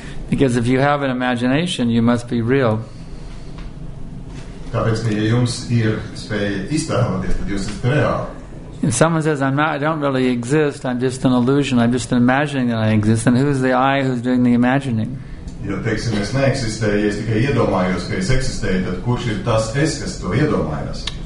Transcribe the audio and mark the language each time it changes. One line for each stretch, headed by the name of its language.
English: Because if you have an imagination, you must be real.
Latvian: Tāpēc, ka ja jums ir spēja iztēloties, tad jūs esat reāli.
English: If someone says, I don't really exist, I'm just an illusion, I'm just imagining that I exist, then who's the I who's doing the imagining?
Latvian: Jo, teiksim, es neeksistēju, es tikai iedomājos, ka es eksistēju, tad kurš ir tas es, kas to iedomājas?